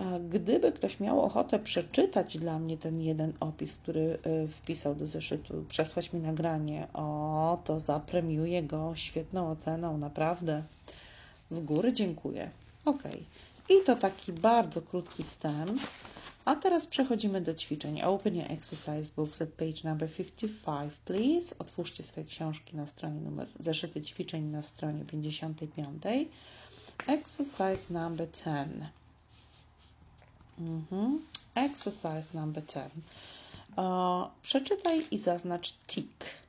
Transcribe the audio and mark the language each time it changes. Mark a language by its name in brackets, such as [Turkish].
[Polish] Gdyby ktoś miał ochotę przeczytać dla mnie ten jeden opis, który wpisał do zeszytu, przesłać mi nagranie, o, to zapremiuję go świetną oceną, naprawdę. Z góry dziękuję. Ok, i to taki bardzo krótki wstęp. A teraz przechodzimy do ćwiczeń. [English] Open your exercise books at page number 55, please. [Polish] Otwórzcie swoje książki na stronie numer, zeszyty ćwiczeń na stronie 55. [English] Exercise number 10. Exercise number 10. [Polish] Przeczytaj i zaznacz [English] tick.